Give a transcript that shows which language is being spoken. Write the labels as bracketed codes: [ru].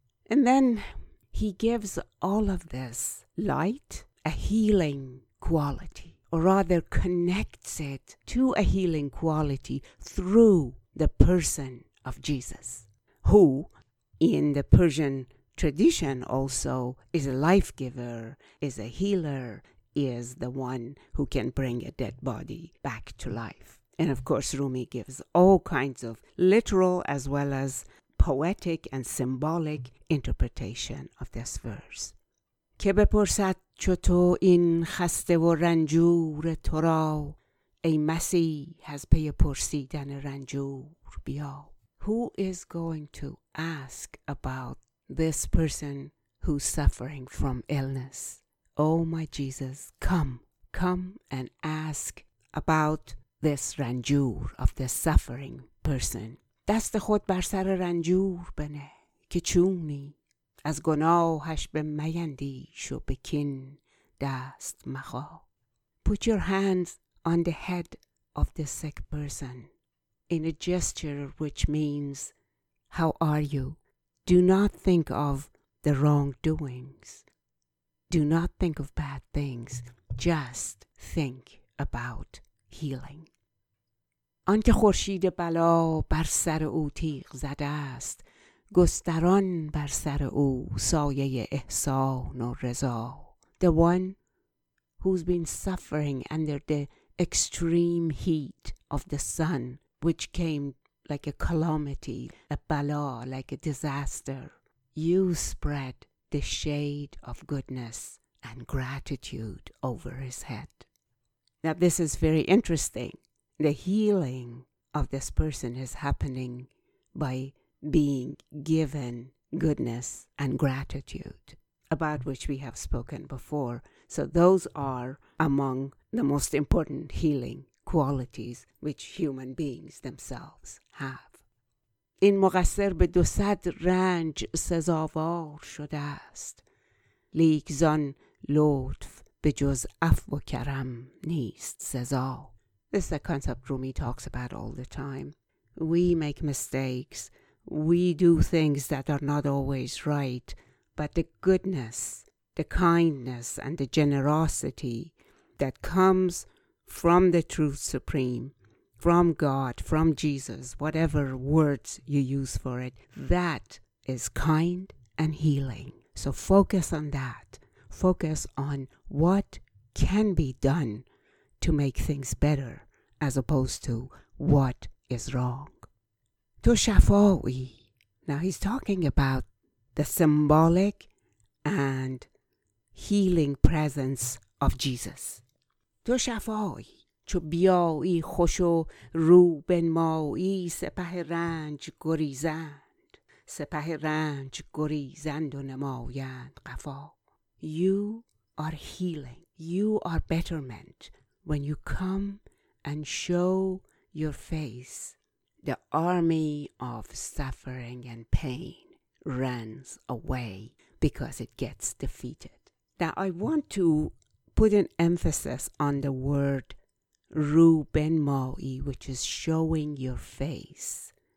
[en] And then he gives all of this light a healing quality, or rather connects it to a healing quality through the person of Jesus, who in the Persian tradition also is a life giver, is a healer, is the one who can bring a dead body back to life. And of course, Rumi gives all kinds of literal as well as poetic and symbolic interpretation of this verse. [fa] که بپرسد چو تو این خسته و رنجور تو را ای مسیح از پی پرسیدن رنجور بیا. [en] Who is going to ask about this person who's suffering from illness? Oh my Jesus, come and ask about this رنجور of the suffering person. [fa] دست خود بر سر رنجور بنه که چونی از گناهش به میندیش و به کین دست مخا. [en] Put your hands on the head of the sick person in a gesture which means, how are you? Do not think of the wrongdoings. Do not think of bad things. Just think about healing. [fa] آن که خورشید بلا بر سر او تیغ زده است، گستران بر سر او سایه احسان و رضا. [en] The one who's been suffering under the extreme heat of the sun, which came like a calamity, a bala, like a disaster, you spread the shade of goodness and gratitude over his head. Now this is very interesting. The healing of this person is happening by being given goodness and gratitude, about which we have spoken before. So those are among the most important healing qualities which human beings themselves have. [fa] این مقصر به 200 رنج سزاوار شده است، لیک زان لطف به جز عفو و کرم نیست سزا. [en] This is a concept Rumi talks about all the time. We make mistakes. We do things that are not always right, but the goodness, the kindness, and the generosity that comes from the Truth Supreme, from God, from Jesus, whatever words you use for it, that is kind and healing. So focus on that. Focus on what can be done to make things better, as opposed to what is wrong. [fa] تو شفایی. [en] Now he's talking about the symbolic and healing presence of Jesus. [fa] تو شفایی چو بیایی خوش و رو بنمایی سپه رنج گریزند. سپه رنج گریزند و نمایند قفا. [en] You are healing. You are betterment when you come and show your face. The army of suffering and pain runs away because it gets defeated. Now, I want to put an emphasis on the word Ru Ben Ma'i, which is showing your face.